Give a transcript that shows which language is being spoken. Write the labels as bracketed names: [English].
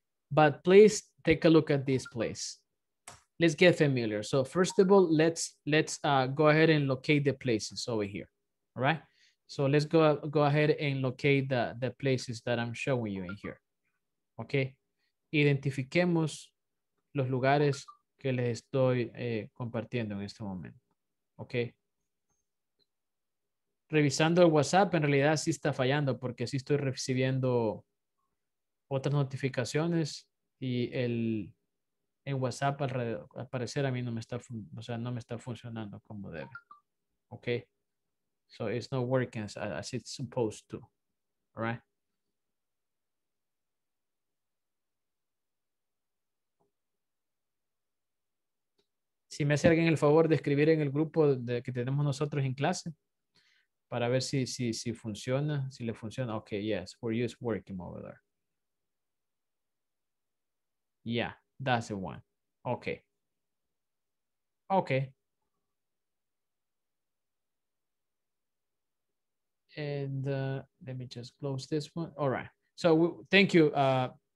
[English] But please take a look at this place. Let's get familiar. So first of all, let's go ahead and locate the places over here, all right? So let's go ahead and locate the places that I'm showing you in here. Okay. [Spanish] Identifiquemos los lugares que les estoy compartiendo en este momento. Okay. Revisando el WhatsApp, en realidad sí está fallando porque sí estoy recibiendo otras notificaciones y en WhatsApp al parecer a mí no me está funcionando como debe. [English] Okay. So it's not working as it's supposed to, all right? [Spanish] Si me hace alguien el favor de escribir en el grupo que tenemos nosotros en clase, para ver si, si, si funciona, si le funciona. [English] Okay, yes, for you it's working over there. Yeah, that's the one. Okay. Okay. And let me just close this one. All right. So thank you, Raul.